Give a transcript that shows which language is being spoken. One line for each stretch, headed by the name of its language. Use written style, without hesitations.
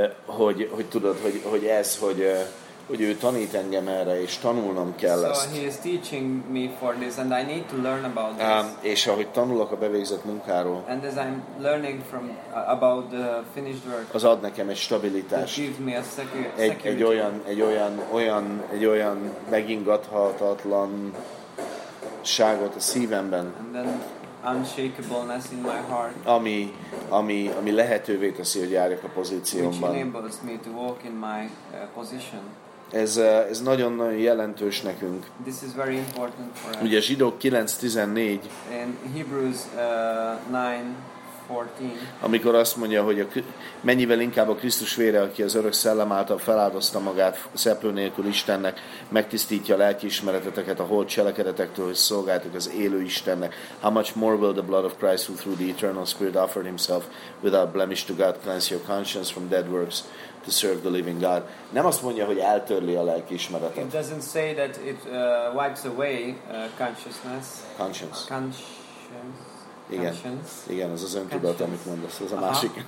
Hungarian: Hogy tudod, hogy ez, hogy ő tanít engem erre, és tanulnom kell ezt.
English: So he is teaching me for this, and I need to learn about this.
Hungarian: És ahogy tanulok a bevégzett munkáról,
English: and as I'm learning from about the finished work,
Hungarian: az ad nekem egy stabilitást.
English: It gives me a security.
Hungarian: Egy olyan megingathatatlan ságot a szívemben.
English: And then unshakableness in my heart.
Hungarian: Ami lehetővé teszi, hogy járjak a pozíciómban.
English: Which enables me to walk in my position.
Hungarian: Ez nagyon jelentős nekünk.
English: This is very important for us.
Hungarian: Ugye Zsidók 9:14.
English: In Hebrews 9:14.
Hungarian: Amikor azt mondja, hogy mennyivel inkább a Krisztus vére, aki az örök szellem által feláldozta magát szeplő nélkül Istennek, megtisztítja a lelki ismereteteket a holt cselekedetektől, hogy szolgáltok az élő Istennek.
English: How much more will the blood of Christ, who through the eternal spirit offered himself without blemish to God, cleanse your conscience from dead works to serve the living God.
Hungarian: Nem azt mondja, hogy eltörli a lelki ismeretet.
English: It doesn't say that it wipes away consciousness. Conscience.
Hungarian: Igen. Igen, ez az öntudat, amit mondasz, ez a másik.